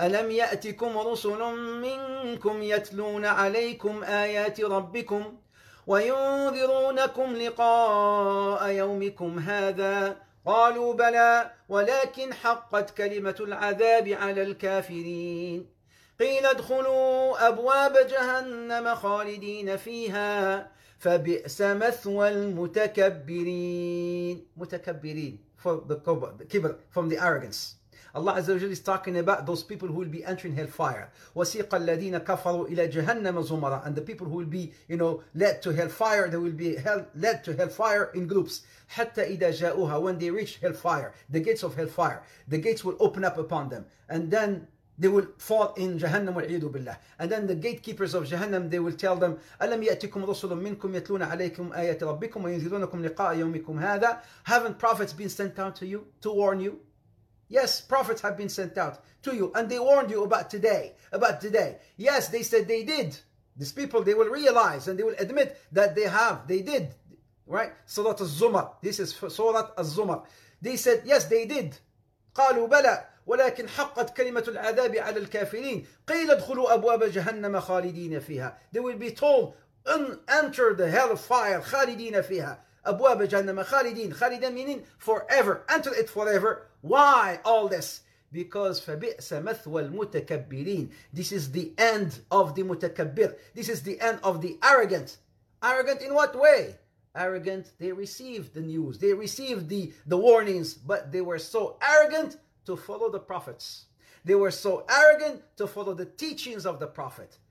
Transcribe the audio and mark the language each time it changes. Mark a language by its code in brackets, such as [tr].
[ar] يأتكم رسل منكم يتلون عليكم آيات ربكم وينذرونكم لقاء يومكم هذا قالوا بلى ولكن حقت كلمة العذاب على الكافرين قيل ادخلوا أبواب جهنم خالدين فيها فبئس مثوى المتكبرين. متكبرين [en] for the kibr, from the arrogance. Allah Azza wa Jalla is talking about those people who will be entering hellfire. [ar] وَسِيقَ الَّذِينَ كَفَرُوا إِلَى جَهَنَّمَ زُمَرًا. [en] And the people who will be, you know, led to hellfire, they will be led to hellfire in groups. [ar] حَتَّى إِذَا جَاءُوهَا. [en] When they reach hellfire, the gates of hellfire, the gates will open up upon them. And then they will fall in Jahannam [ar] وَالْعِيدُ بِاللَّهِ. [en] And then the gatekeepers of Jahannam, they will tell them, [ar] أَلَمْ يَأْتِكُمْ رُسُلٌ مِّنْكُمْ يَتْلُونَ عَلَيْكُمْ آيَاتِ رَبِّكُمْ وَيُنذِرُونَكُمْ لِقَاءَ يَوْمِكُمْ هَذَا. [en] Haven't prophets been sent out to you to warn you? Yes, prophets have been sent out to you, and they warned you about today. Yes, they said they did. These people, they will realize and they will admit that they did, right? Surah Az-Zumar. This is Surah Az-Zumar. They said, yes, they did. [ar] قَالُوا بَلَى وَلَكِنْ حَقَّتْ كَلِمَةُ الْعَذَابِ عَلَى الْكَافِرِينَ قِيلَ ادْخُلُوا أَبْوَابَ جَهَنَّمَ خَالِدِينَ فِيهَا. [en] They will be told, enter the hellfire, [ar] خَالِدِينَ فِيهَا. أَبْوَابَ جَهَنَّمَ خَالِدِينَ. خَالِدِينَ [en] meaning forever. Enter it forever. Why all this? Because [ar] فَبِئْسَ مَثْوَى الْمُتَكَبِّرِينَ. [en] This is the end of the mutakabbir. This is the end of the arrogant. Arrogant in what way? Arrogant, they received the news. They received the warnings. But they were so arrogant to follow the prophets. They were so arrogant to follow the teachings of the prophet.